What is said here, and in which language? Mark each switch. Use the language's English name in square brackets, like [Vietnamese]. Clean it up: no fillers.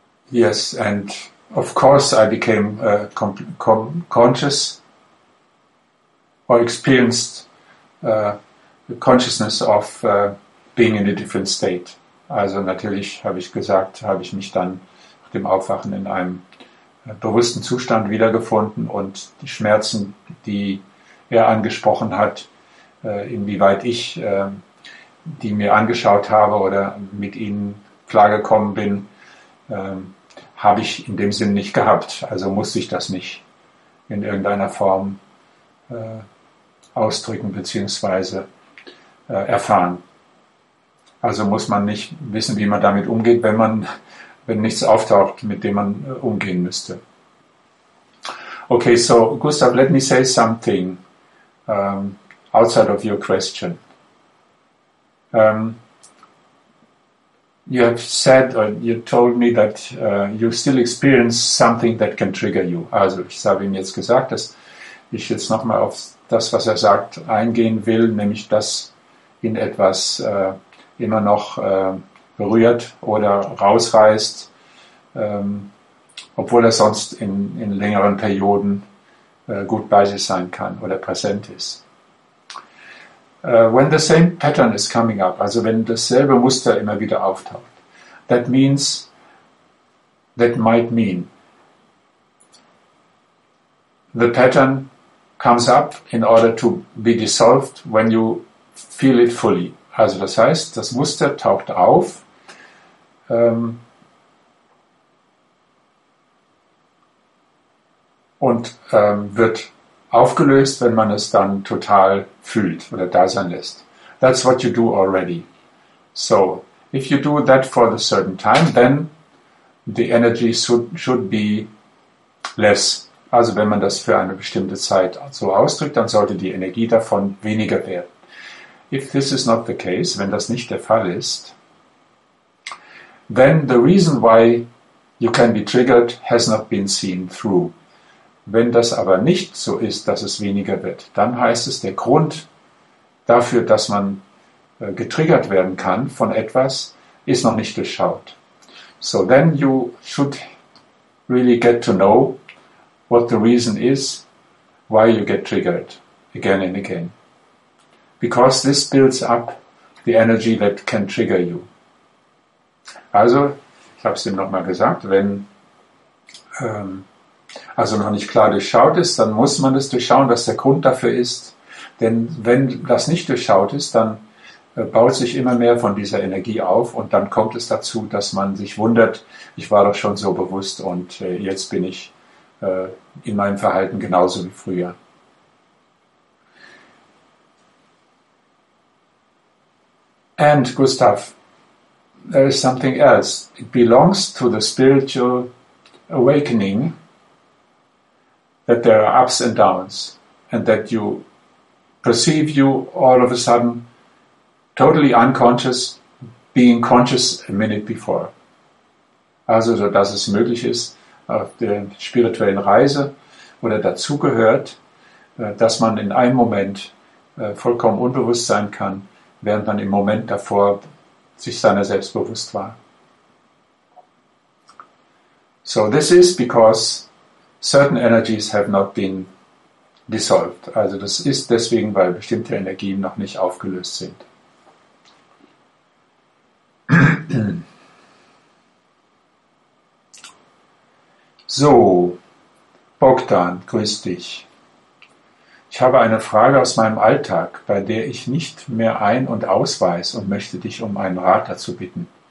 [English] Yes, and of course I became conscious or experienced the consciousness of being in a different state. [German] Also natürlich habe ich mich dann nach dem Aufwachen in einem bewussten Zustand wiedergefunden und die Schmerzen, die er angesprochen hat, inwieweit ich die mir angeschaut habe oder mit ihnen klargekommen bin, habe ich in dem Sinn nicht gehabt. Also musste ich das nicht in irgendeiner Form ausdrücken beziehungsweise erfahren. Also muss man nicht wissen, wie man damit umgeht, wenn nichts auftaucht, mit dem man umgehen müsste. [English] Okay, so Gustav, let me say something outside of your question. You have said, or you told me that you still experience something that can trigger you. [German] Also ich habe ihm jetzt gesagt, dass ich jetzt nochmal auf das, was er sagt, eingehen will, nämlich dass ihn etwas immer noch berührt oder rausreißt, obwohl er sonst in längeren Perioden gut bei sich sein kann oder präsent ist. [English] When the same pattern is coming up, [German] also wenn dasselbe Muster immer wieder auftaucht, [English] that might mean the pattern comes up in order to be dissolved when you feel it fully. [German] Also das heißt, das Muster taucht auf, und wird aufgelöst, wenn man es dann total fühlt oder da sein lässt. [English] That's what you do already. So, if you do that for a certain time, then the energy should be less. [German] Also wenn man das für eine bestimmte Zeit so ausdrückt, dann sollte die Energie davon weniger werden. [English] If this is not the case, [German] wenn das nicht der Fall ist, [English] then the reason why you can be triggered has not been seen through. [German] Wenn das aber nicht so ist, dass es weniger wird, dann heißt es, der Grund dafür, dass man getriggert werden kann von etwas, ist noch nicht durchschaut. [English] So then you should really get to know what the reason is, why you get triggered again and again. Because this builds up the energy that can trigger you. [German] Also, ich habe es ihm nochmal gesagt, wenn also noch nicht klar durchschaut ist, dann muss man es durchschauen, was der Grund dafür ist. Denn wenn das nicht durchschaut ist, dann baut sich immer mehr von dieser Energie auf und dann kommt es dazu, dass man sich wundert, ich war doch schon so bewusst und jetzt bin ich in meinem Verhalten genauso wie früher. [English] And Gustav, there is something else. It belongs to the spiritual awakening that there are ups and downs and that you perceive you all of a sudden totally unconscious, being conscious a minute before. [German] Also, dass es möglich ist, auf der spirituellen Reise oder dazugehört, dass man in einem Moment vollkommen unbewusst sein kann, während man im Moment davor sich seiner selbst bewusst war. [English] So this is because certain energies have not been dissolved. [German] Also das ist deswegen, weil bestimmte Energien noch nicht aufgelöst sind. So, Bogdan, grüß dich. Ich habe eine Frage aus meinem Alltag, bei der ich nicht mehr ein- und ausweise und möchte dich um einen Rat dazu bitten.